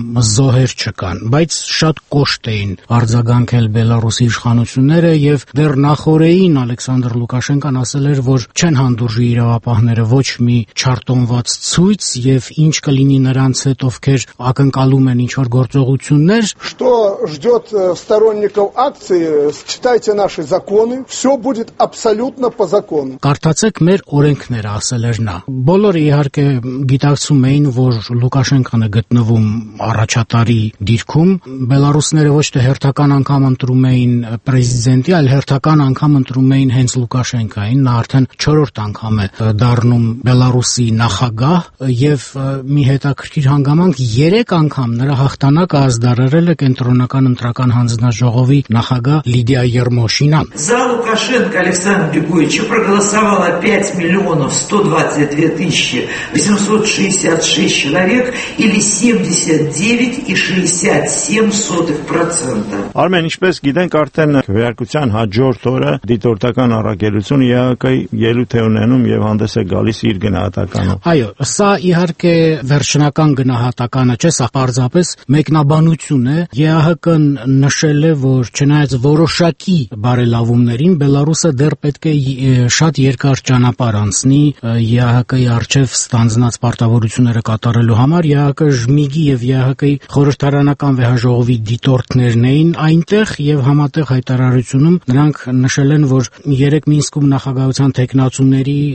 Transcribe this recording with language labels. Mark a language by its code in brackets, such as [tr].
[hy] զոհեր չկան, բայց շատ կոշտ էին արձագանքել Բելարուսի իշխանությունները եւ դեռ նախորեին Ալեքսանդր Լուկաշենկան ասել էր, որ չեն հանդուրժի իրավապահները ոչ մի չարտոնված ցույց եւ ինչ կլինի նրանց հետ, ովքեր ակնկալում են ինչ-որ գործողություններ. [ru] Что ждёт сторонников акции? Читайте наши законы, всё будет абсолютно по закону. [hy] Կարդացեք մեր օրենքները, ասել էր նա. Բոլորը իհարկե գիտակցում էին, որ Լուկաշենկանը գտնվում առաջատարի դիրքում բելարուսները ոչ թե հերթական անգամ ընտրում էին պրեզիդենտի, այլ հերթական անգամ ընտրում էին հենց Լուկաշենկային, նա արդեն 4-րդ անգամ է դառնում Բելարուսի նախագահ եւ մի հետաքրքիր հանգամանք 3 անգամ նրա հաղթանակը ազդարարել է կենտրոնական ընտրական հանձնաժողովի նախագահ Լիդիա Երմոշինան։ [ru] За Лукашенко Александр Григорьевич проголосовало 5,122,866 человек или 79,67%. [hy] Արմեն, ինչպես գիտենք, արդեն քվեարկության հաջորդ օրը դիտորդական առաքելությունը ԵԱԿ-ի ելույթ է ունենում եւ հանդես է գալիս իր գնահատականը։ Այո, սա իհարկե վերջնական գնահատականը չէ, սա պարզապես մեկնաբանություն է։ ԵԱՀԿ-ն նշել է, որ չնայած որոշակի բարելավումներին Բելարուսը դեռ պետք է շատ երկար ճանապարհ անցնի ԵԱՀԿ-ի առջև ստանձնած պարտավորությունները կատարելու համար։ ԵԱՀԿ-ը ԺՄԻԳ-ի եւ ԵԱՀԿ-ի խորհրդարանական վեհաժողովի դիտորդներն էին այնտեղ եւ համատեղ հայտարարությունում նրանք նշել են, որ 3 Մինսկում նախագահության տեխնացուների,